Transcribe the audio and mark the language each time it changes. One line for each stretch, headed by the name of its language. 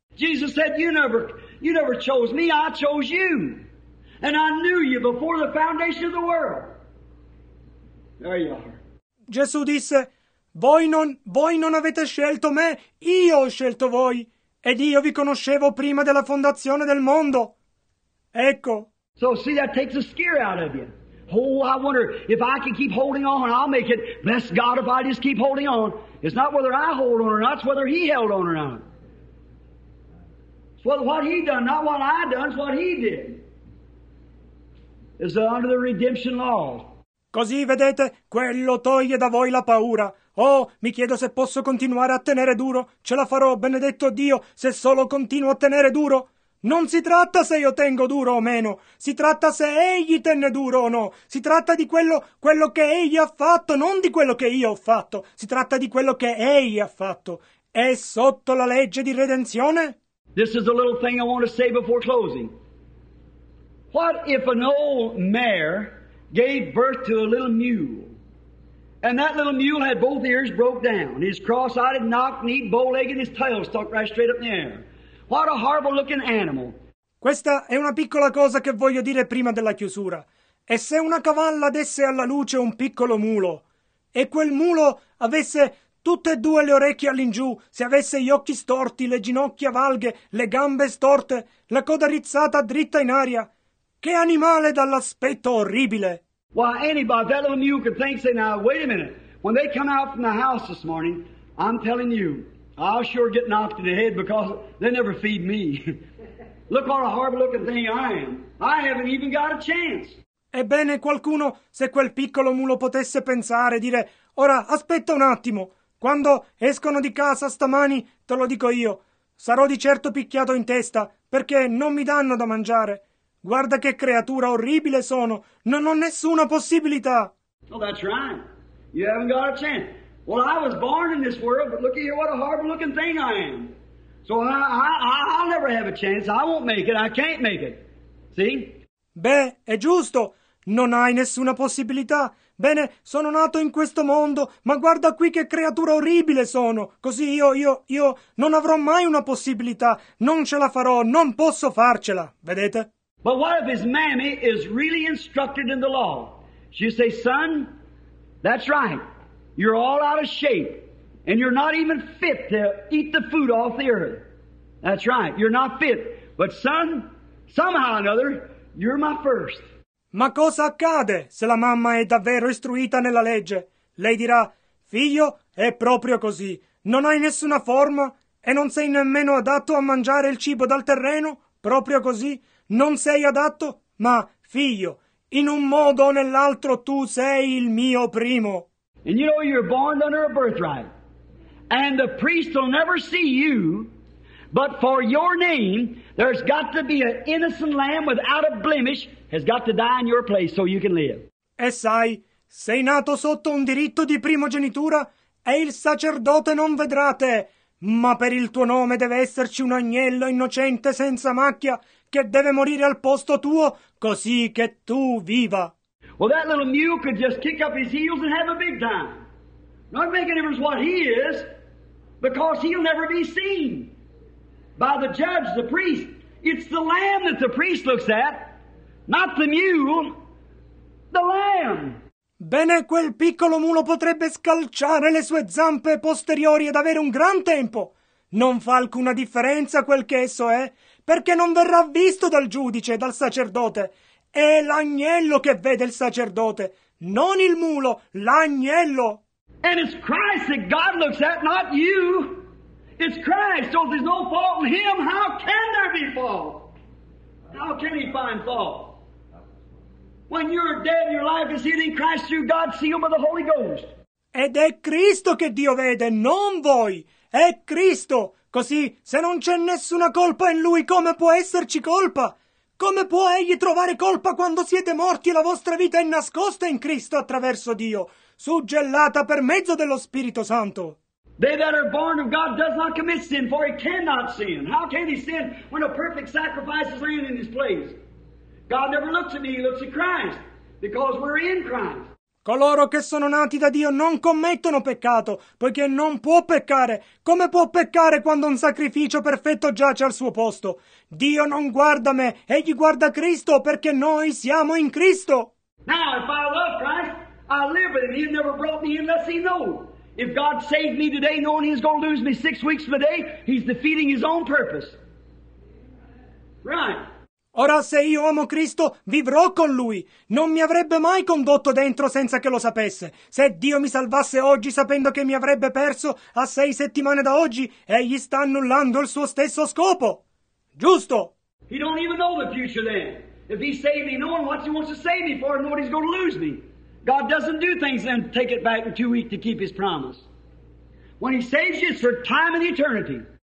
English: Jesus said, you never chose me, I chose you. And I knew you before the foundation of the world. There you are.
Italian: Gesù disse, voi non avete scelto me, io ho scelto voi. Ed io vi conoscevo prima della fondazione del mondo. Ecco.
English: So see, that takes a scare out of you. Oh, I wonder if I can keep holding on, I'll make it. Bless God if I just keep holding on. It's not whether I hold on or not, it's whether he held on or not. It's what he done, not what I done, it's what he did. It's under the redemption law.
Italian: Così, vedete, quello toglie da voi la paura. Oh, mi chiedo se posso continuare a tenere duro. Ce la farò, benedetto Dio, se solo continuo a tenere duro. Non si tratta se io tengo duro o meno, si tratta se egli tenne duro o no, si tratta di quello che egli ha fatto, non di quello che io ho fatto, si tratta di quello che egli ha fatto. è sotto la legge di redenzione?
English: This is a little thing I want to say before closing. What if an old mare gave birth to a little mule, and that little mule had both ears broke down, his cross-eyed, knock-kneed, bow-legged, his tail stuck right straight up in the air? What a horrible-looking animal!
Italian: Questa è una piccola cosa che voglio dire prima della chiusura. E se una cavalla desse alla luce un piccolo mulo, e quel mulo avesse tutte e due le orecchie all'ingiù, se avesse gli occhi storti, le ginocchia valghe, le gambe storte, la coda rizzata dritta in aria, che animale dall'aspetto orribile!
English: Why, anybody, that little mule could think, say, now, wait a minute, when they come out from the house this morning, I'm telling you, I'll sure get knocked in the head because they never feed me. Look what a horrible-looking thing I am. I haven't even got a chance.
Italian: Ebbene, qualcuno, se quel piccolo mulo potesse pensare, dire, ora, aspetta un attimo, quando escono di casa stamani, te lo dico io, sarò di certo picchiato in testa, perché non mi danno da mangiare. Guarda che creatura orribile sono, non ho nessuna possibilità.
English: Oh, that's right. You haven't got a chance. Well, I was born in this world, but look at here, what a horrible-looking thing I am. So I'll never have a chance. I won't make it. I can't make it. See?
Italian: Beh, è giusto. Non hai nessuna possibilità. Bene, sono nato in questo mondo, ma guarda qui che creatura orribile sono. Così io non avrò mai una possibilità. Non ce la farò, non posso farcela. Vedete?
English: But what if his mammy is really instructed in the law? She say, son, that's right. You're all out of shape. And you're not even fit to eat the food off the earth. That's right, you're not fit. But son, somehow or another, you're my first.
Italian: Ma cosa accade se la mamma è davvero istruita nella legge? Lei dirà, figlio, è proprio così. Non hai nessuna forma e non sei nemmeno adatto a mangiare il cibo dal terreno? Proprio così? Non sei adatto? Ma, figlio, in un modo o nell'altro tu sei il mio primo.
English: And you know you're born under a birthright. And the priest will never see you, but for your name, there's got to be an innocent lamb without a blemish has got to die in your place so you can live.
Italian: E sai, sei nato sotto un diritto di primogenitura e il sacerdote non vedrà te, ma per il tuo nome deve esserci un agnello innocente senza macchia che deve morire al posto tuo così che tu viva.
English: Well, that little mule could just kick up his heels and have a big time. Not make any difference what he is, because he'll never be seen by the judge, the priest. It's the lamb that the priest looks at, not the mule, the lamb.
Italian: Bene, quel piccolo mulo potrebbe scalciare le sue zampe posteriori ed avere un gran tempo. Non fa alcuna differenza quel che esso è, perché non verrà visto dal giudice, dal sacerdote. È l'agnello che vede il sacerdote, non il mulo, l'agnello.
English: And it's Christ that God looks at, not you. It's Christ. So if there's no fault in him, how can there be fault? How can he find fault? When you're dead, your life is hidden in Christ through God, sealed by the Holy Ghost.
Italian: Ed è Cristo che Dio vede, non voi. È Cristo. Così, se non c'è nessuna colpa in lui, come può esserci colpa? Come può egli trovare colpa quando siete morti e la vostra vita è nascosta in Cristo attraverso Dio, suggellata per mezzo dello Spirito Santo?
English: They that are born of God does not commit sin, for he cannot sin. How can he sin when a perfect sacrifice is laying in his place? God never looks at me, he looks at Christ, because we're in Christ.
Italian: Coloro che sono nati da Dio non commettono peccato, poiché non può peccare. Come può peccare quando un sacrificio perfetto giace al suo posto? Dio non guarda me, egli guarda Cristo, perché noi siamo in Cristo.
English: Now, if I love Christ, I live with him. He never brought me in unless he know. If God saved me today knowing he's going to lose me 6 weeks from today, he's defeating his own purpose. Right.
Italian: Ora, se io amo Cristo, vivrò con Lui. Non mi avrebbe mai condotto dentro senza che lo sapesse. Se Dio mi salvasse oggi sapendo che mi avrebbe perso a 6 settimane da oggi, egli sta annullando il suo stesso scopo. Giusto?
English: He don't even know the future then. If he saved me, knowing what he wants to save me for, knowing he's going to lose me. God doesn't do things then take it back in 2 weeks to keep his promise. When he saves you, it's for time and eternity.